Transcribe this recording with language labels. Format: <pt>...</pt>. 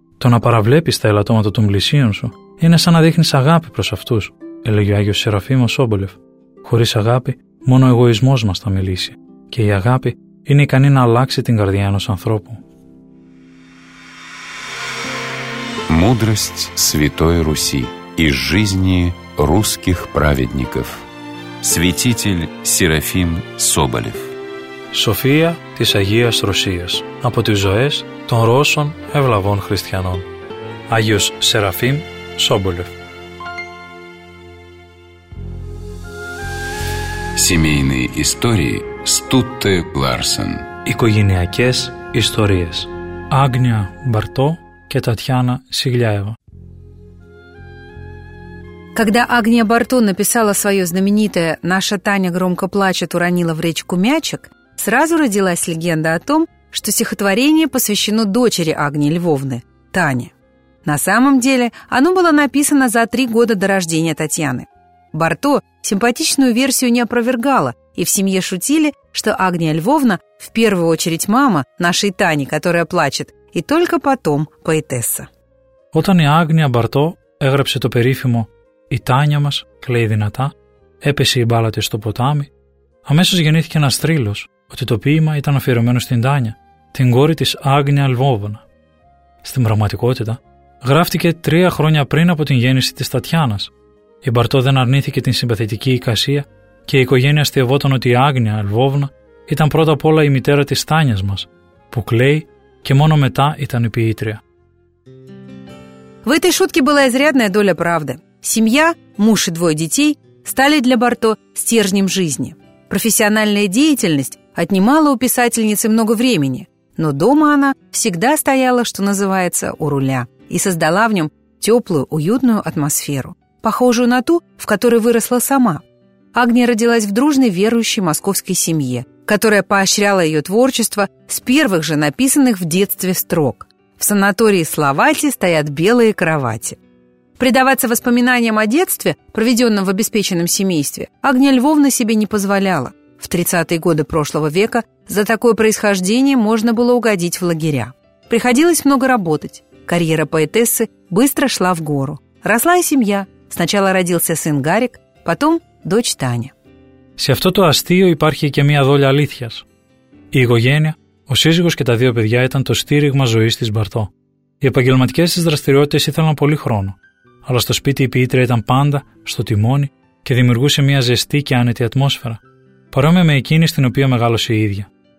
<el>«Το να παραβλέπεις τα ελαττώματα των πλησίων σου είναι σαν να δείχνεις αγάπη προς αυτούς», έλεγε ο Άγιος Σεραφείμ ο Σόμπολεφ. «Χωρίς αγάπη, μόνο ο εγωισμός μας θα μιλήσει. Και η αγάπη είναι ικανή να αλλάξει την καρδιά ενός ανθρώπου».</el> <ru>Мудрость Святой Руси из жизни русских праведников. Святитель Серафим Соболев.</ru> <el>София της Αγίας Ρωσίας. Από τις ζωές των Ρώσων ευλαβών χριστιανών. Άγιος Σεραφείμ Σόμπολεφ.</el> <ru>Семейные истории Стутте Ларсен.</ru> <el>Οικογενειακές ιστορίες. Άγνια Μπαρτό και Татьяна Сигляева.</el> <ru>Когда Агния Барто написала свое знаменитое «Наша Таня громко плачет, уронила в речку мячик», сразу родилась легенда о том, что стихотворение посвящено дочери Агнии Львовны, Тане. На самом деле, оно было написано за 3 года до рождения Татьяны. Барто симпатичную версию не опровергала, и в семье шутили, что Агния Львовна в первую очередь мама нашей Тани, которая плачет, и только потом поэтесса.</ru> <el>Όταν η Άγνοια Μπαρτό έγραψε το περίφημο «Η Τάνια μας κλαίει δυνατά, έπεσε η μπάλα της στο ποτάμι», αμέσως γεννήθηκε ένας θρύλος ότι το ποίημα ήταν αφιερωμένο στην Τάνια, την κόρη της Άγνοια Λβόβνα. Στην πραγματικότητα, γράφτηκε 3 χρόνια πριν από την γέννηση της Τατιάνας. Η Μπαρτό δεν αρνήθηκε την συμπαθητική εικασία και η οικογένεια στεβόταν ότι η Άγνοια Λβόβνα ήταν πρώτα απ' όλα η μητέρα της Τάνιας μας, που κλαίει και μόνο μετά ήταν η ποιήτρια.</el> <ru>В этой шутке была изрядная доля правды. Семья, муж и 2 детей стали для Барто стержнем жизни. Профессиональная деятельность отнимала у писательницы много времени, но дома она всегда стояла, что называется, у руля и создала в нем теплую, уютную атмосферу, похожую на ту, в которой выросла сама. Агния родилась в дружной верующей московской семье, которая поощряла ее творчество с первых же написанных в детстве строк. В санатории Словати стоят белые кровати. Предаваться воспоминаниям о детстве, проведенном в обеспеченном семействе, Агния Львовна себе не позволяла. В 30-е годы прошлого века за такое происхождение можно было угодить в лагеря. Приходилось много работать. Карьера поэтессы быстро шла в гору. Росла и семья. Сначала родился сын Гарик, потом дочь Таня.</ru> <el>Σε αυτό το αστείο υπάρχει και μια δόλια αλήθειας. Η οικογένεια, ο σύζυγος και τα 2 παιδιά ήταν το στήριγμα ζωής της Μπαρτό. Οι επαγγελματικές της δραστηριότητες ήθελαν πολύ χρόνο. Αλλά στο σπίτι η ποιήτρια ήταν πάντα στο τιμόνι και δημιουργούσε μια ζεστή και άνετη ατμόσφαιρα, παρόμοια με εκείνη στην οποία μεγάλωσε η ίδια.</el>